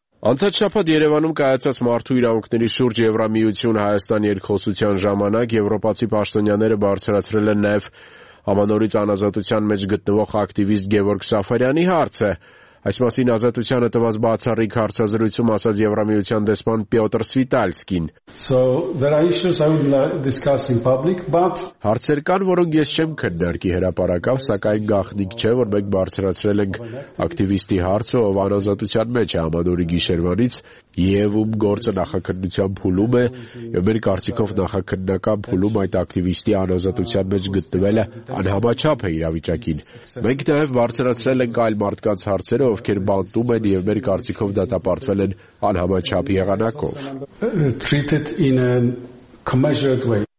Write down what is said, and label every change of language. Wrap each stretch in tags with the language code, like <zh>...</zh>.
<hy>Անցած շաբաթ Երևանում կայացած մարդու իրավունքների շուրջ Եվրամիություն Հայաստան երկխոսության ժամանակ եվրոպացի պաշտոնյաները բարձրացրել են նաև ամանորից անազատության մեջ գտնվող ակտիվիստ Գևորգ Սաֆարյանի հարցը։ Այս մասին ազատությանը տված բացառիկ հարցազրույցում ասաց Եվրամիության դեսպան Պյոտր Սվիտալսկին.</hy> <en>So there are issues I would not discuss in public, but</en> <hy>հարցեր կան, որոնք ես չեմ քննարկի հրապարակավ, սակայն գաղտնիք չէ, որ մենք բարձրացրել ենք ակտիվիստի հարցը, ով անազատության մեջ է ամանորի գիշերվանից, Եվում գործը նախաքննության փուլում է, եւ մեր կարծիքով նախաքննական փուլում այդ ակտիվիստի անազատության մեջ գտնվելը անհամաչափ է իրավիճակին։ Մենք նաեւ բարձրացրել ենք այլ մարդկանց հարցերը, ովքեր բանտում են, եւ մեր կարծիքով դատապարտվել են անհամաչափ եղանակով։</hy>